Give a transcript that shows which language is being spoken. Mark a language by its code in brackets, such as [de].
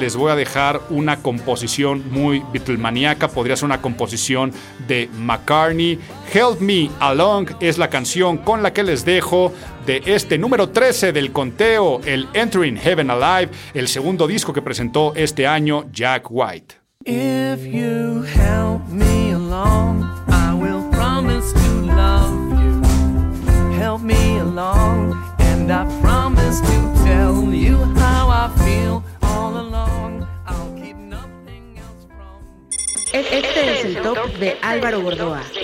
[es] Les voy a dejar una composición muy beatlemaníaca. Podría ser una composición de McCartney. Help Me Along es la canción con la que les dejo de este número 13 del conteo, el Entering Heaven Alive, el segundo disco que presentó este año Jack White. [en] If you help me along, I will promise to love you. Help me along, and I promise to tell you how I feel all along. I'll keep nothing else from you. [es] Este es el top de Álvaro Gordoa.